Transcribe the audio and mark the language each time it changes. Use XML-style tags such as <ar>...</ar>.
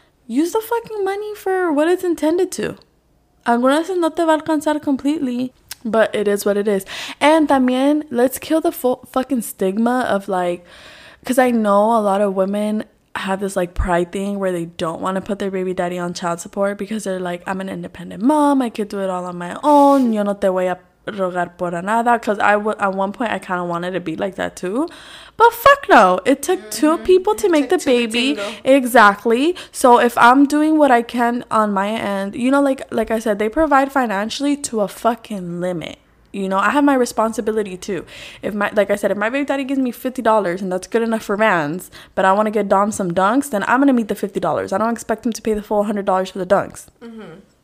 <en>Use the fucking money for what it's intended to.</en> <es>Algunas no te va a alcanzar</es> <en>completely. But it is what it is. And también, let's kill the fucking stigma of, like... Because I know a lot of women have this, like, pride thing where they don't want to put their baby daddy on child support because they're like, I'm an independent mom. I could do it all on my own.</en> <es>Yo no te voy a rogar por nada.</es> <en>Because at one point, I kind of wanted to be like that, too. But fuck no. It took two people to make the baby. Exactly. So if I'm doing what I can on my end, you know, like I said, they provide financially to a fucking limit. You know, I have my responsibility too. If my baby daddy gives me $50 and that's good enough for Vans, but I want to get Dom some dunks, then I'm going to meet the $50. I don't expect him to pay the full $100 for the dunks. Mm-hmm.</en>